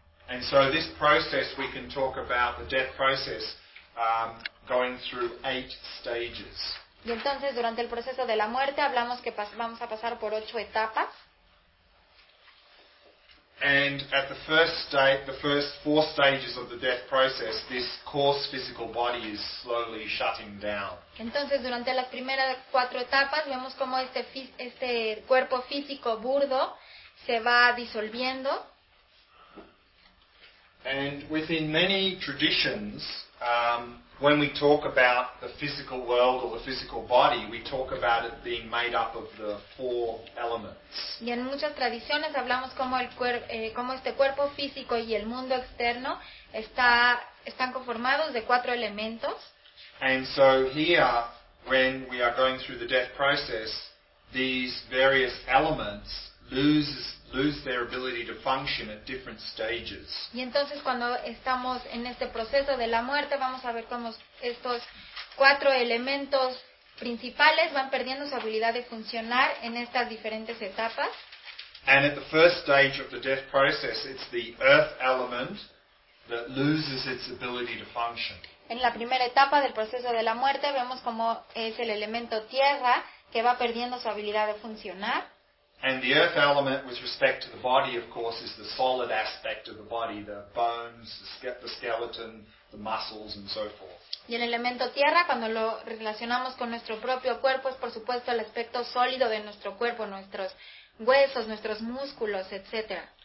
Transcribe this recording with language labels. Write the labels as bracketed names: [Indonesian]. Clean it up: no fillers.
[English] And so this process, we can talk about the death process going through 8 stages. [Spanish] Y entonces durante el proceso de la muerte hablamos que vamos a pasar por 8 etapas. [English] And at the first stage, the first 4 stages of the death process, this coarse physical body is slowly shutting down. [Spanish] Entonces, durante las primeras 4 etapas, vemos cómo este cuerpo físico burdo se va disolviendo. [English] And within many traditions, when we talk about the physical world or the physical body, we talk about it being made up of the 4 elements. [Spanish] Y en muchas tradiciones hablamos como este cuerpo físico y el mundo externo están conformados de 4 elementos. [English] And so here, when we are going through the death process, these various elements lose their ability to function at different stages. [Spanish] Y entonces cuando estamos en este proceso de la muerte, vamos a ver cómo estos 4 elementos principales van perdiendo su habilidad de funcionar en estas diferentes etapas. [English] And at the first stage of the death process, it's the earth element that loses its ability to function. [Spanish] En la primera etapa del proceso de la muerte, vemos cómo es el elemento tierra que va perdiendo su habilidad de funcionar. [English] And the earth element with respect to the body, of course, is the solid aspect of the body, the bones, the skeleton, the muscles, and so forth. [Spanish] Y el elemento tierra, cuando lo relacionamos con nuestro propio cuerpo, es por supuesto el aspecto sólido de nuestro cuerpo, nuestros huesos, nuestros músculos, etc.